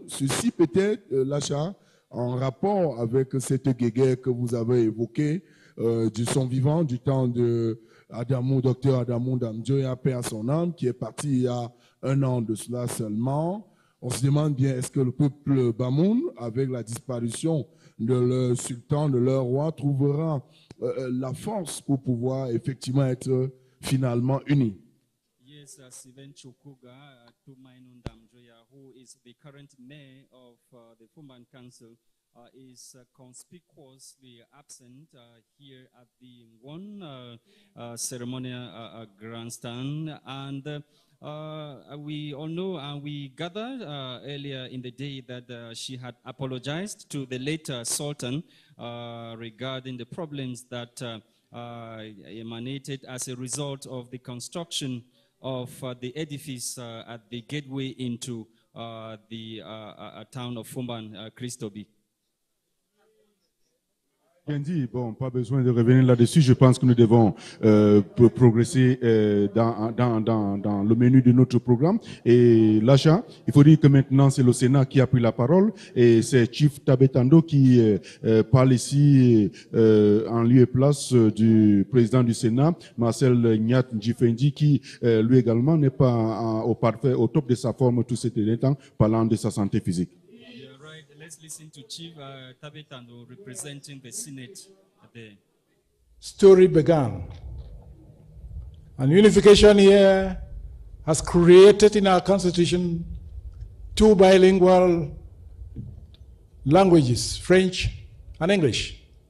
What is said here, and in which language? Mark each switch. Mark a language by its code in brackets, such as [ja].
[fr] Ceci peut-être, Lacha, en rapport avec cette guéguerre que vous avez évoquée de son vivant, du temps de Adamou, docteur Adamou Ndamdjoya, père son âme, qui est parti il y a un an de cela seulement. On se demande bien, est-ce que le peuple Bamoun, avec la disparition de leur sultan, de leur roi, trouvera la force pour pouvoir effectivement être finalement uni? [en] Yes, Sylvain Chokoga, Tumainu Ndamdjoya, who is the current mayor of the Fumban Council, is conspicuously absent here at the one ceremonial grandstand. And we all know and we gathered earlier in the day that she had apologized to the late Sultan regarding the problems that emanated as a result of the construction of the edifice at the gateway into the town of Fumban, Christobi. [fr] Bien dit. Bon, pas besoin de revenir là-dessus. Je pense que nous devons progresser dans le menu de notre programme. Et Lacha, il faut dire que maintenant c'est le Sénat qui a pris la parole et c'est Chief Tabetando qui parle ici en lieu et place du président du Sénat, Marcel Nyat Ndjifendi, qui lui également n'est pas au top de sa forme tout ces derniers temps, parlant de sa santé physique. [en] Listen to Chief Tabetando representing the Senate there. Story began. An unification here has created in our constitution two bilingual languages, French and English.